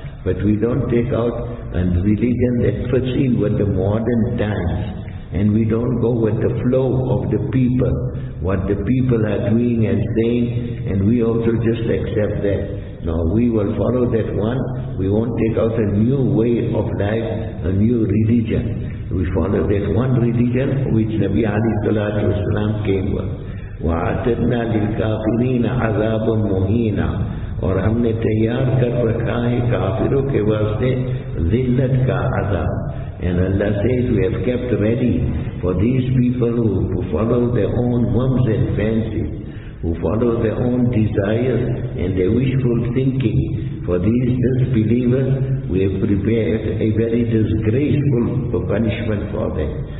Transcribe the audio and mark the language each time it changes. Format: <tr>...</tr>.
<en>But we don't take out a religion that proceeds with the modern times, and we don't go with the flow of the people, what the people are doing and saying, and we also just accept that. No, we will follow that one. We won't take out a new way of life, a new religion. We follow that one religion which Nabi Ali Sallallahu Alaihi Wasallam came with.</en> <ar>وَعَتَدْنَا لِلْكَافِرِينَ عَذَابٌ مُهِينًا.</ar> <ur>اور ہم نے تیار کر رکھا ہے کافروں کے واسطے ذلت کا عذاب.</ur> <en>And Allah says, we have kept ready for these people who follow their own whims and fancies, who follow their own desires and their wishful thinking. For these disbelievers, we have prepared a very disgraceful punishment for them.</en>